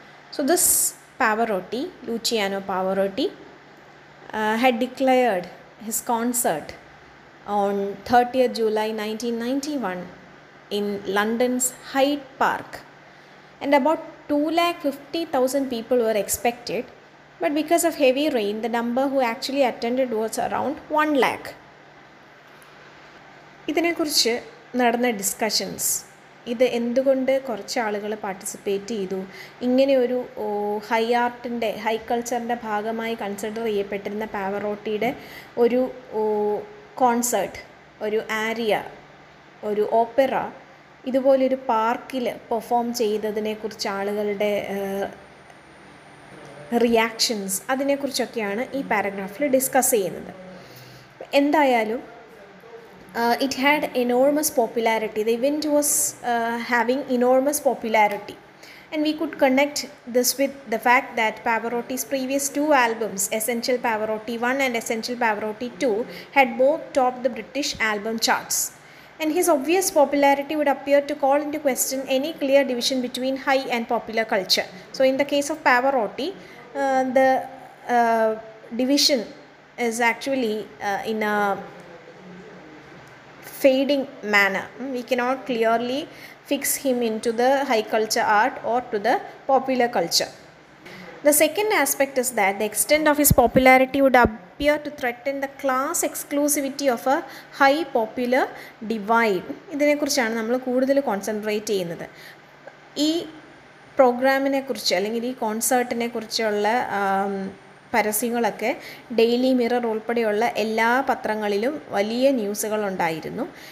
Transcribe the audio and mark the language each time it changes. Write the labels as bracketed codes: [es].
[en] So this Pavarotti, Luciano Pavarotti, had declared his concert on 30th July 1991 in London's Hyde Park, and about 250,000 people were expected, but because of heavy rain the number who actually attended was around 1 lakh. [ml] ഇതിനെ കുറിച്ച് നടന്ന discussions, ഇത് എന്തുകൊണ്ട് കുറച്ച് ആളുകൾ participate ചെയ്തു, ഇങ്ങനെയൊരു high ആർട്ടിൻ്റെ, high കൾച്ചറിൻ്റെ ഭാഗമായി കൺസിഡർ ചെയ്യപ്പെട്ടിരുന്ന പാവറോട്ടിയുടെ ഒരു കോൺസേർട്ട്, ഒരു ആരിയ, ഒരു ഓപ്പറ, ഇതുപോലൊരു പാർക്കിൽ പെർഫോം ചെയ്തതിനെ കുറിച്ച് ആളുകളുടെ റിയാക്ഷൻസ്, അതിനെക്കുറിച്ചൊക്കെയാണ് ഈ പാരഗ്രാഫിൽ ഡിസ്കസ് ചെയ്യുന്നത്. എന്തായാലും [en] it had enormous popularity. The event was having enormous popularity, and we could connect this with the fact that Pavarotti's previous two albums, Essential Pavarotti 1 and Essential Pavarotti 2, had both topped the British album charts, and his obvious popularity would appear to call into question any clear division between high and popular culture. So in the case of Pavarotti, the division is actually in a fading manner. We cannot clearly fix him into the high culture art or to the popular culture. The second aspect is that the extent of his popularity would appear to threaten the class exclusivity of a high popular divide. [ml] ഇതിനെക്കുറിച്ചാണ് നമ്മൾ കൂടുതൽ concentrate ചെയ്യുന്നത്. ഈ പ്രോഗ്രാമിനെ കുറിച്ച് അല്ലെങ്കിൽ ഈ കോൺസേർട്ടിനെ കുറിച്ചുള്ള പരസ്യങ്ങളൊക്കെ ഡെയിലി മിറർ ഉൾപ്പെടെയുള്ള എല്ലാ പത്രങ്ങളിലും വലിയ ന്യൂസുകളുണ്ടായിരുന്നു.